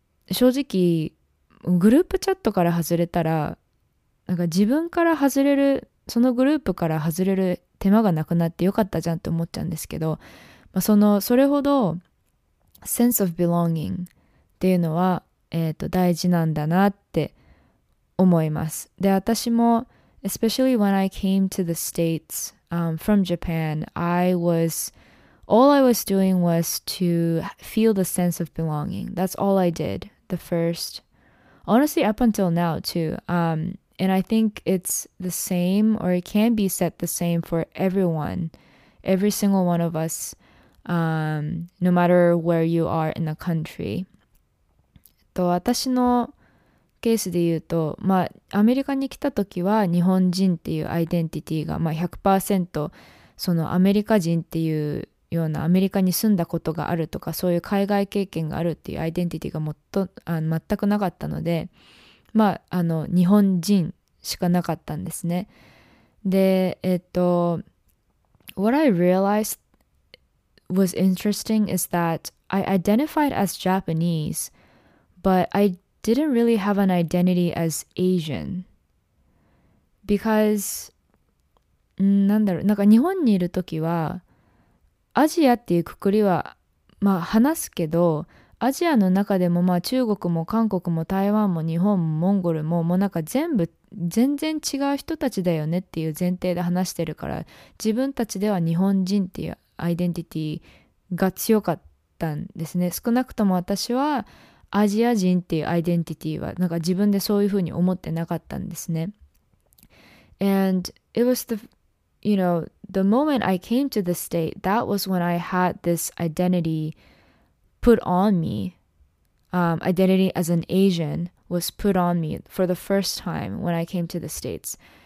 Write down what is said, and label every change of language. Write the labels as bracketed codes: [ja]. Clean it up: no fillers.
[ja] 正直グループチャットから外れたら、なんか自分から外れる、そのグループから外れる手間がなくなってよかったじゃんって思っちゃうんですけど、それほど sense of belonging っていうのは、大事なんだなって思います。で、私も [en] especially when I came to the States, from Japan, all I was doing was to feel the sense of belonging. That's all I did the first, honestly up until now too. And I think it's the same, or it can be set the same for everyone, every single one of us, no matter where you are in the country. [ja] と、私のケースで言うと、アメリカに来た時は日本人っていうアイデンティティが、100% そのアメリカ人っていうような、アメリカに住んだことがあるとか、そういう海外経験があるっていうアイデンティティがもっと全くなかったので、日本人しかなかったんですね。 [en] で、What I realized was interesting is that I identified as Japanese, but I didn't really have an identity as Asian. Because, [ja] なんか日本にいるときは、アジアっていうくくりは、話すけど、アジアの中でも中国も韓国も台湾も日本もモンゴルも、なんか全部全然違う人たちだよねっていう前提で話してるから、自分たちでは日本人っていうアイデンティティが強かったんですね。少なくとも私はアジア人っていうアイデンティティはなんか自分でそういうふうに思ってなかったんですね。 [en] And it was the, you know, the moment I came to the state, that was when I had this identityput on me, identity as an Asian was put on me for the first time when I came to the States.